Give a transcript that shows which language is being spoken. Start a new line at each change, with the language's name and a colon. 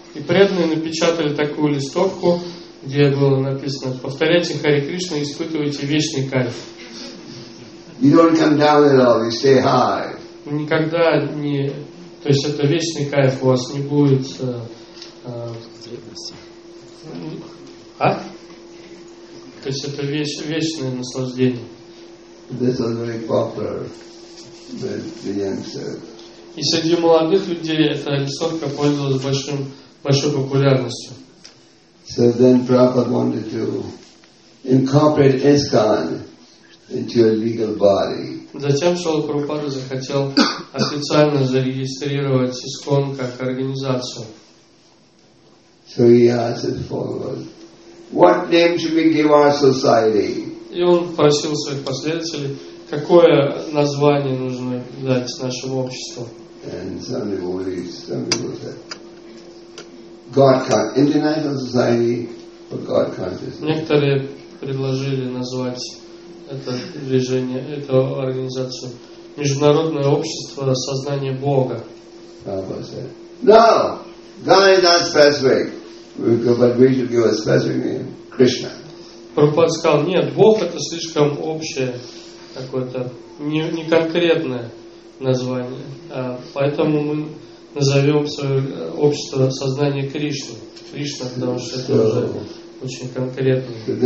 Russian: И преданные напечатали такую листовку, где было написано: «Повторяйте Харе Кришна и испытывайте вечный кайф».
English: You don't come down at all, you stay high.
Russian: Никогда не... То есть это вечный кайф, у вас не будет... То есть это вечное наслаждение.
English: This was very popular with the youngsters.
Russian: И среди молодых людей эта листовка пользовалась большой популярностью.
English: So then Prabhupada wanted to incorporate ISKCON into a legal body.
Russian: Затем Прабхупада захотел официально зарегистрировать ИСККОН как организацию.
English: So he asked his followers, what name should we give our society?
Russian: И он просил своих последователей, какое название нужно дать нашему обществу.
English: And some people said, God-conscious, International Society for God-consciousness.
Russian: Некоторые предложили назвать это движение, эту организацию, Международное общество сознания Бога.
English: No, God is not specific, but we should give a specific name, Krishna.
Russian: Прабхупада сказал, нет, Бог это слишком общее, какое-то не конкретное название, поэтому мы назовем свое общество сознания Кришны. Кришна, потому что это уже очень конкретно.